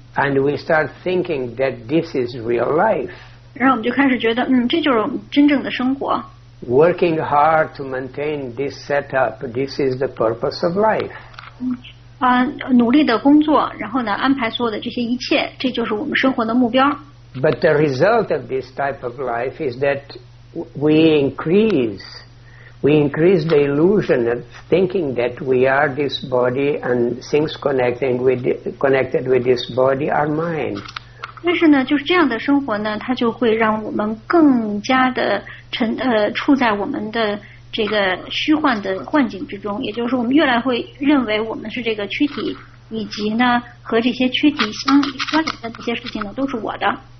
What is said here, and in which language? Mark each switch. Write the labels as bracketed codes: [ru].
[en] And we start thinking that this is real life. [zh] 然后我们就开始觉得,这就是真正的生活。 [en] Working hard to maintain this setup, this is the purpose of life. [zh] 努力的工作,然后呢,安排所有的这些一切,这就是我们生活的目标。 [en] But the result of this type of life is that we increase the illusion of thinking that we are this body and things connected with this body are mine. [zh] 但是呢,就是这样的生活呢, 它就会让我们更加的处在我们的这个虚幻的幻境之中, 也就是我们越来会认为我们是这个躯体,以及呢,和这些躯体相关联的这些事情呢,都是我的。